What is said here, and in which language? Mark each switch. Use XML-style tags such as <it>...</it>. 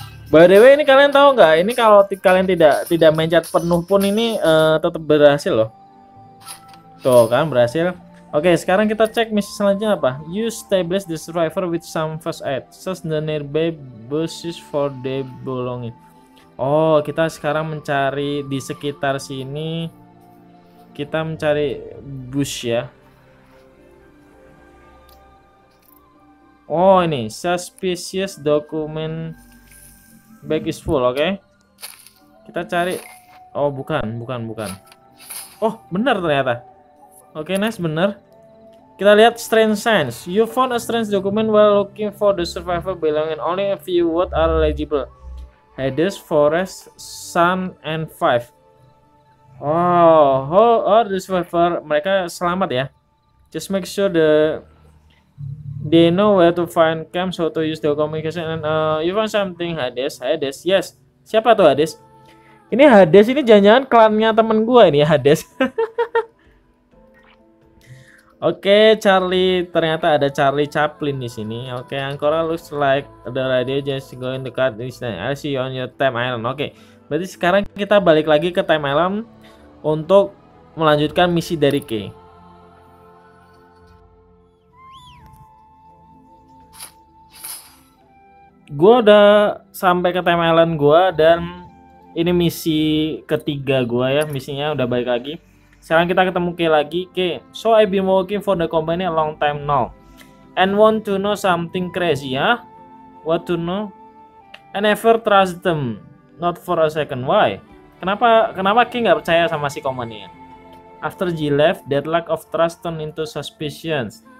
<id>By the way, ini kalian tahu nggak? Ini kalau kalian tidak mencet penuh pun ini tetap berhasil loh. Tuh kan berhasil. Oke, sekarang kita cek misi selanjutnya apa?</id> <en>You stabilize the survivor with some first aid. Search the nearby bushes for the belonging.</en> <id>Oh, kita sekarang mencari di sekitar sini. Kita mencari bush ya. Oh, ini</id> <en>suspicious document bag is full,</en> <id>oke. Okay. Kita cari. Oh, bukan. Oh, benar ternyata. Oke, okay, nice, benar. Kita lihat strange signs.</id> <en>You found a strange document while looking for the survivor belonging. Only a few words are legible. Hades, Forest, Sun, and Five.</en> <id>Oh,</id> <en>all the survivor,</en> <id>mereka selamat ya.</id> <en>Just make sure they know where to find camps, how to use the communication, and you want something, Hades?</en> <id>Hades, yes. Siapa tuh Hades? Ini Hades, ini jangan-jangan klannya temen gue ini ya, Hades. Oke, okay, Charlie, ternyata ada Charlie Chaplin di sini.</id> <en>Oke, okay, Ancora looks like the radio just going to cut this thing. I'll see you on your time island. Oke, okay.</en> <id>Berarti sekarang kita balik lagi ke time island untuk melanjutkan misi dari K. Gua udah sampai ke time island gua dan ini misi ketiga gua ya, misinya udah balik lagi. Sekarang kita ketemu K lagi.</id> <en>K, so I've been working for the company a long time now and want to know something crazy, ya? Huh? What to know? I never trust them, not for a second. Why?</en> <id>Kenapa K nggak percaya sama si company?</id> <en>After G left, that lack of trust turned into suspicion.</en>